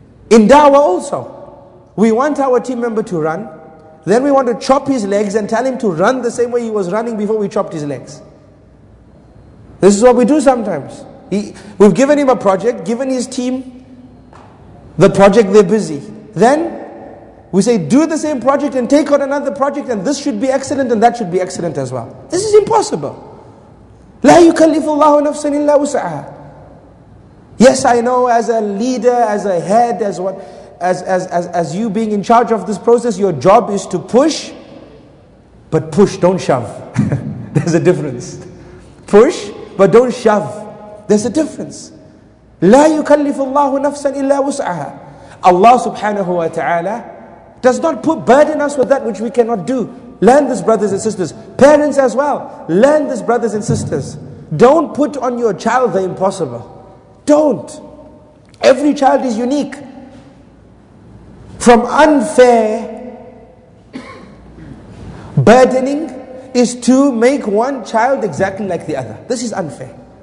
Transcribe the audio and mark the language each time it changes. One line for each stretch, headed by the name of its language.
English: In da'wah also, we want our team member to run, then we want to chop his legs and tell him to run the same way he was running before we chopped his legs. This is what we do sometimes. We've given him a project, given his team the project, they're busy. Then we say, do the same project and take on another project, and this should be excellent and that should be excellent as well. This is impossible.
Arabic: لا يكلف الله نفسا إلا وسعها.
English: Yes, I know as a leader, as a head, as you being in charge of this process, your job is to push, but push, don't shove. There's a difference. Push, but don't shove. There's a difference.
Arabic: لا يكلف الله نفسا إلا وسعها.
English: Allah subhanahu wa ta'ala does not put burden us with that which we cannot do. Learn this, brothers and sisters. Parents as well. Learn this, brothers and sisters. Don't put on your child the impossible. Don't. Every child is unique. From unfair burdening is to make one child exactly like the other. This is unfair.